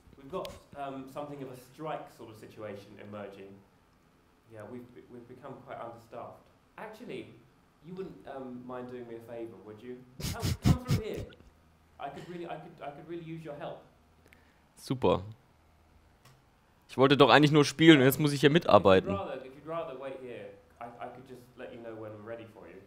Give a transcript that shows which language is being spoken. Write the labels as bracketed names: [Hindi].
[English] We've got something of a strike sort of situation emerging. Yeah, we've become quite understaffed. Actually, you wouldn't mind doing me a favor, would you? Come through here. I could really use your help. Super. [German] Ich wollte doch eigentlich nur spielen und jetzt muss ich hier mitarbeiten. [English] If you'd rather wait here, I could just let you know when we're ready for you.